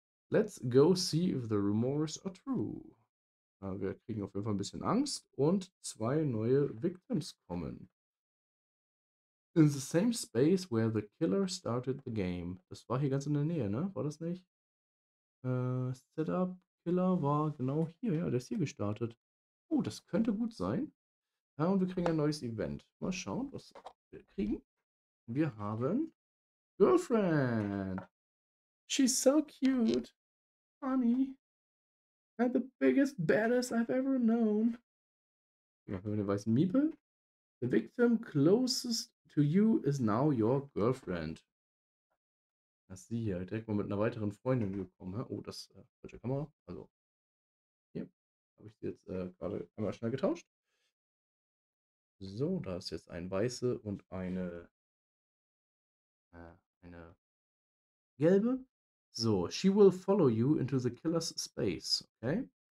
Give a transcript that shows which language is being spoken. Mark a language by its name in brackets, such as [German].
[English] Let's go see if the rumors are true. [German] Wir kriegen auf jeden Fall ein bisschen Angst und 2 neue Victims kommen. [English] In the same space where the killer started the game. [German] Das war hier ganz in der Nähe, ne? War das nicht? Setup Killer war genau hier, ja, der ist hier gestartet. Oh, das könnte gut sein. Und wir kriegen ein neues Event. Mal schauen, was wir kriegen. Wir haben Girlfriend. [English] She's so cute. Funny. And the biggest, baddest I've ever known. [German] Ja, hören wir den weißen Miepel. [English] The victim closest to you is now your girlfriend. [German] Das sie hier direkt mal mit einer weiteren Freundin gekommen. Oh, das ist falsche Kamera. Also, hier habe ich sie jetzt gerade einmal schnell getauscht. So, da ist jetzt ein weiße und eine gelbe. [English] So, she will follow you into the killer's space, okay?